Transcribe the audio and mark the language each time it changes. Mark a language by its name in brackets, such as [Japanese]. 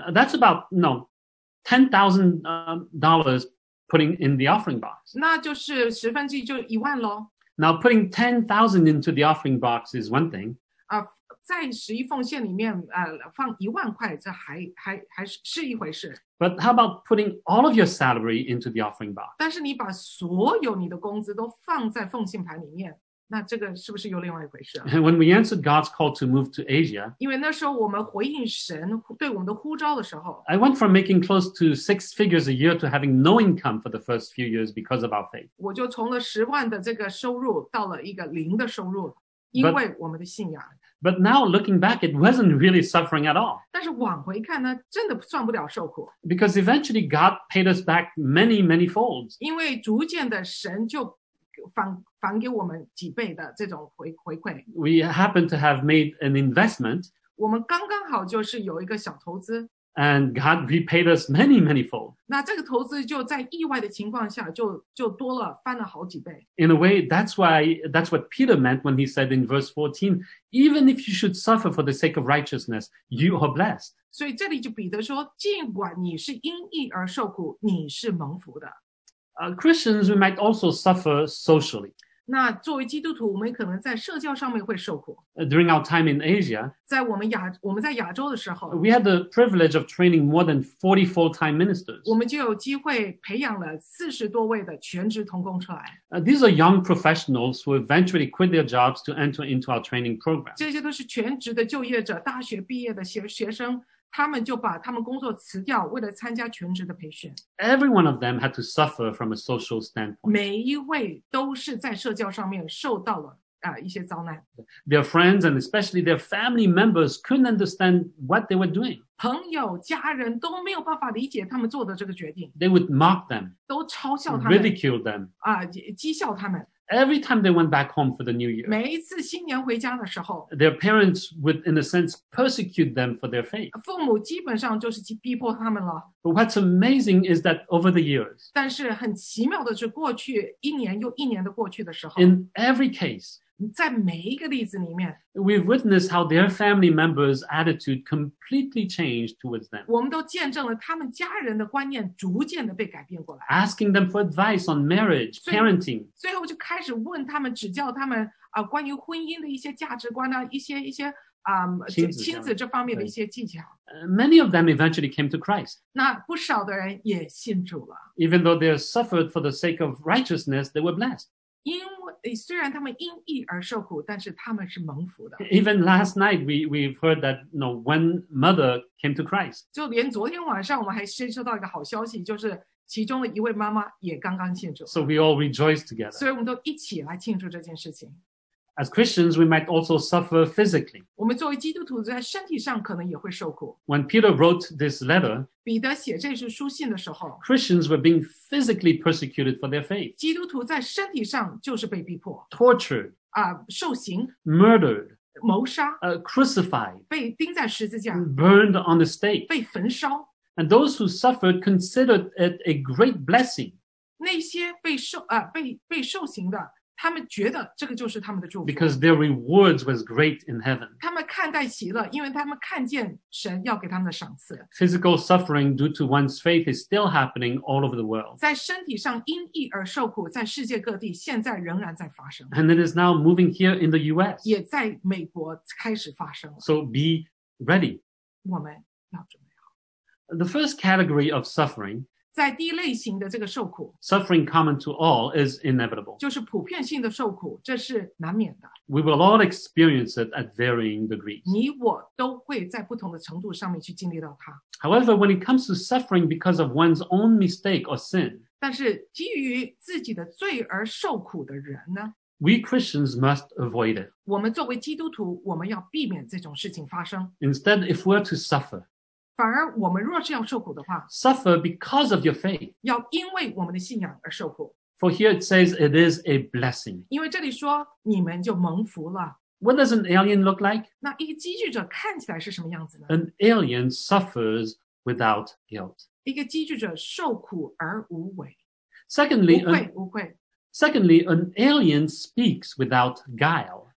[English] That's about, $10,000 putting in the offering box. [Chinese] 那就是十分之一就一万咯。 [English] Now putting $10,000 into the offering box is one thing. [Chinese] 在十一奉献里面放一万块这还是一回事。 [English] But how about putting all of your salary into the offering box? [Chinese] 但是你把所有你的工资都放在奉献盘里面，那这个是不是又另外一回事啊？ [English] When we answered God's call to move to Asia, [Chinese] 因为那时候我们回应神对我们的呼召的时候， [English] I went from making close to six figures a year to having no income for the first few years because of our faith. [Chinese] 我就从了十万的这个收入到了一个零的收入，因为我们的信仰。 [English] But now looking back, it wasn't really suffering at all. [Chinese] 但是往回看呢，真的算不了受苦。 [English] Because eventually God paid us back many, many folds. [Chinese] 因为逐渐的神就返给我们几倍的这种回馈。 [English] We happen to have made an investment. [Chinese] 我们刚刚好就是有一个小投资。 [English] And God repaid us many, many fold. [Chinese] 那这个投资就在意外的情况下就多了，翻了好几倍。 [English] In a way, that's what Peter meant when he said in verse 14, even if you should suffer for the sake of righteousness, you are blessed. [Chinese] 所以这里就彼得说，尽管你是因义而受苦，你是蒙福的。 [English] Christians, we might also suffer socially. [Chinese] 那作为基督徒，我们可能在社交上面会受苦。 [English] During our time in Asia, [Chinese] 在我们在亚洲的时候， [English] we had the privilege of training more than 40 full-time ministers. [Chinese] 我们就有机会培养了40多位的全职同工出来。 [English] These are young professionals who eventually quit their jobs to enter into our training program. [Chinese] 这些都是全职的就业者，大学毕业的学生。他们就把他们工作辞掉，为了参加全职的培训。 [English] Every one of them had to suffer from a social standpoint. [Chinese] 每一位都是在社交上面受到了一些遭难。 [English] Their friends and especially their family members couldn't understand what they were doing. [Chinese] 朋友、家人都没有办法理解他们做的这个决定。 [English] They would mock them. [Chinese] 都嘲笑他们。 [English] Ridicule them. [Chinese] 讥笑他们。 [English] Every time they went back home for the New Year, [Chinese] 每一次新年回家的时候， [English] their parents would, in a sense, persecute them for their faith. [Chinese] 父母基本上就是逼迫他们了。 [English] But what's amazing is that over the years, [Chinese] 但是很奇妙的是过去一年又一年的过去的时候， [English] in every case, [Chinese] 在每一个例子里面， [English] we've witnessed how their family members' attitude completely changed towards them. [Chinese] 我们都见证了他们家人的观念逐渐的被改变过来。 [English] Asking them for advice on marriage, parenting. [Chinese] 最后就开始问他们，指教他们关于婚姻的一些价值观啊，一些亲子这方面的一些技巧。 [English] Many of them eventually came to Christ. [Chinese] 那不少的人也信主了。 [English] Even though they suffered for the sake of righteousness, they were blessed. [Chinese] 因为虽然他们因义而受苦，但是他们是蒙福的。 [English] Even last night, we've heard that, you know, one mother came to Christ. [Chinese] 就连昨天晚上我们还接收到一个好消息，就是其中的一位妈妈也刚刚信主。 [English] So we all rejoice together. [Chinese] 所以我们都一起来庆祝这件事情。 [English] As Christians, we might also suffer physically. [Chinese] 我们作为基督徒在身体上可能也会受苦。 [English] When Peter wrote this letter, [Chinese] 彼得写这些书信的时候， [English] Christians were being physically persecuted for their faith. [Chinese] 基督徒在身体上就是被逼迫。 [English] Tortured. [Chinese] 受刑。 [English] Murdered. [Chinese] 谋杀。 [English] Crucified. [Chinese] 被钉在十字架。 [English] Burned on the stake. [Chinese] 被焚烧。 [English] And those who suffered considered it a great blessing. [Chinese] 那些被受刑的，他们觉得这个就是他们的祝福。 [English] Because their rewards was great in heaven. [Chinese] 他们看待喜乐，因为他们看见神要给他们的赏赐。 [English] Physical suffering due to one's faith is still happening all over the world. [Chinese] 在身体上因义而受苦，在世界各地现在仍然在发生。 [English] And it is now moving here in the U.S. [Chinese] 也在美国开始发生了。 [English] So be ready. [Chinese] 我们要准备好。 [English] The first category of suffering, [Chinese] 在第一类型的这个受苦， [English] suffering common to all is inevitable. [Chinese] 就是普遍性的受苦，这是难免的。 [English] We will all experience it at varying degrees. [Chinese] 你我都会在不同的程度上面去经历到它。 [English] However, when it comes to suffering because of one's own mistake or sin, [Chinese] 但是基于自己的罪而受苦的人呢？ [English] We Christians must avoid it. [Chinese] 我们作为基督徒，我们要避免这种事情发生。 [English] Instead, if we're to suffer, [Chinese] 反而我们若是要受苦的话， [English] suffer because of your faith. [Chinese] 要因为我们的信仰而受苦。 [English] For here it says it is a blessing. [Chinese] 因为这里说你们就蒙福了。 [English] What does an alien look like? [Chinese] 那一个寄居者看起来是什么样子呢？ [English] An alien suffers without guilt. [Chinese] 一个寄居者受苦而无悔。 [English] Secondly, [Chinese] 无悔，无悔。 [English] Secondly, an alien speaks without guile.